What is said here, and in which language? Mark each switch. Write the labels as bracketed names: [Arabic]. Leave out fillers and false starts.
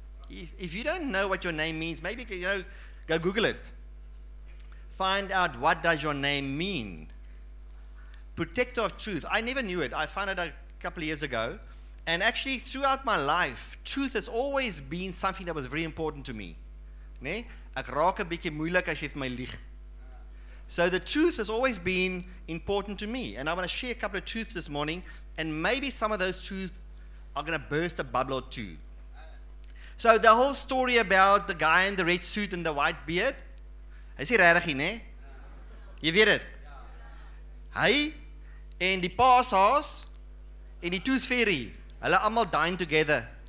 [English] If you don't know what your name means, maybe you know, go Google it. Find out what does your name mean. Protector of truth. I never knew it. I found it a couple of years ago. And actually, throughout my life, truth has always been something that was very important to me. [Afrikaans] Nee? Ek raak 'n bietjie moeilik as jy vir my lieg. [English] So the truth has always been important to me. And I want to share a couple of truths this morning. And maybe some of those truths are going to burst a bubble or two. So the whole story about the guy in the red suit and the white beard. [Afrikaans] Hy sê regtig nie, hè? Jy weet dit. Hy en die paashaas en die tooth fairy, hulle almal [English] dine together.